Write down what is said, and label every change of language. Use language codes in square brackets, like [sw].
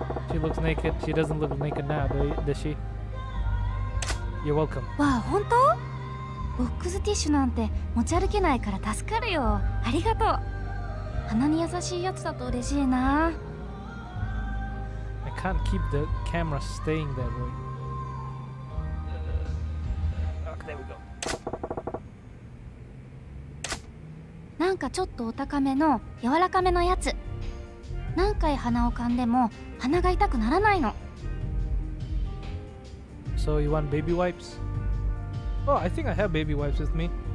[en] She looks naked. She doesn't look naked now, does she? You're welcome. [ja] わあ、本当？ボックスティッシュなんて持ち歩けないから助かるよ。ありがとう。鼻に優しいやつだと嬉しいな。 [en] I can't keep the camera staying that way. There we go. [ja] なんかちょっとお高めの柔らかめのやつ。何回鼻を噛んでも鼻が痛くならないの。 [en] So you want baby wipes? Oh, I think I have baby wipes with me.